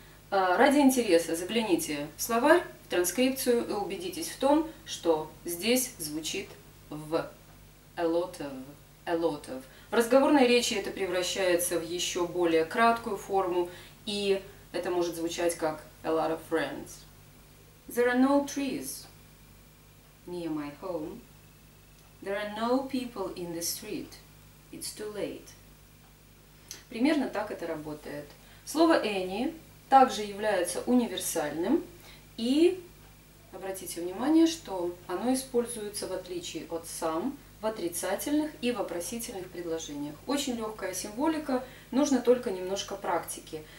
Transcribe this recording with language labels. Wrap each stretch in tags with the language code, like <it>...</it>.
<ru>Ради интереса загляните в словарь, в транскрипцию и убедитесь в том, что здесь звучит «в».</ru> <en>A lot of, a lot of.</en> <ru>В разговорной речи это превращается в еще более краткую форму, и это может звучать как</ru> <en>«a lot of friends». There are no trees near my home. There are no people in the street. It's too late.</en> <ru>Примерно так это работает. Слово any также является универсальным. И обратите внимание, что оно используется в отличие от some в отрицательных и вопросительных предложениях. Очень легкая символика, нужно только немножко практики.</ru>